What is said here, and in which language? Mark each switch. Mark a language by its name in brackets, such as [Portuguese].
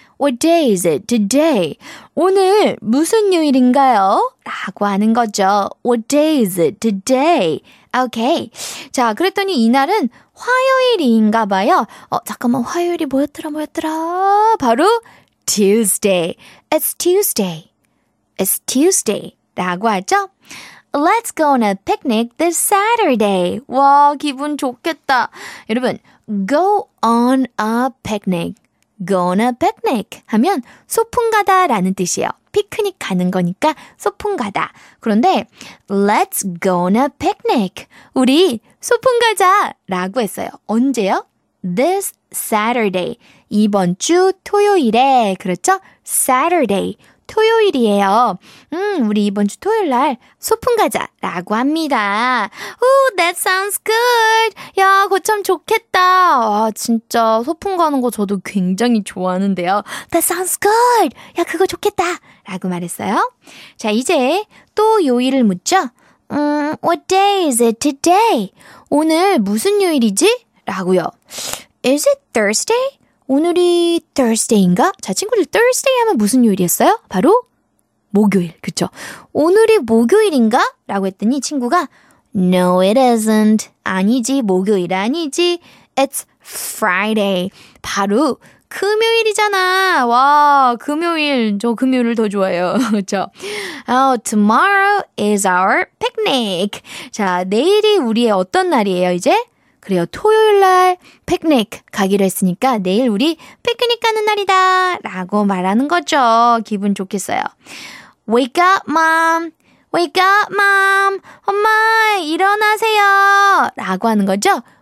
[English] What day is it today? [Korean] 오늘 무슨 요일인가요? 라고 하는 거죠. [English] What day is it today? Okay. [Korean] 자, 그랬더니 이날은 화요일인가 봐요. 잠깐만 화요일이 뭐였더라? 바로 Tuesday. [English] It's Tuesday. [Korean] It's Tuesday. 라고 하죠? [English] Let's go on a picnic this Saturday. [Korean] 와, 기분 좋겠다. [English] 여러분, go on a picnic. [Korean] Go on a picnic 하면 소풍 가다 라는 뜻이에요. 피크닉 가는 거니까 소풍 가다. [English] 그런데 let's go on a picnic. [Korean] 우리 소풍 가자 라고 했어요. 언제요? [English] This Saturday. [Korean] 이번 주 토요일에. 그렇죠? Saturday. 토요일이에요. 우리 이번 주 토요일 날 소풍 가자 라고 합니다. [English] Oh, that sounds good. [Korean] 야, 그거 참 좋겠다. 와, 진짜 소풍 가는 거 저도 굉장히 좋아하는데요. [English] That sounds good. [Korean] 야, 그거 좋겠다 라고 말했어요. 자, 이제 또 요일을 묻죠. [English] What day is it today? [Korean] 오늘 무슨 요일이지? 라고요. [English] Is it Thursday? [Korean] 오늘이 Thursday인가? 자, 친구들, Thursday 하면 무슨 요일이었어요? 바로 목요일, 그쵸? 오늘이 목요일인가? 라고 했더니 친구가 [English] No, it isn't. [Korean] 아니지, 목요일 아니지. [English] It's Friday. [Korean] 바로 금요일이잖아. 와, 금요일. 저 금요일을 더 좋아해요. 그쵸? [English] Oh, tomorrow is our picnic. [Korean] 자, 내일이 우리의 어떤 날이에요, 이제? 그래요. 토요일날 피크닉 가기로 했으니까 내일 우리 피크닉 가는 날이다 라고 말하는 거죠. 기분 좋겠어요. [English] Wake up, mom. Wake up, mom. [Korean] 엄마, 일어나세요. 라고 하는 거죠.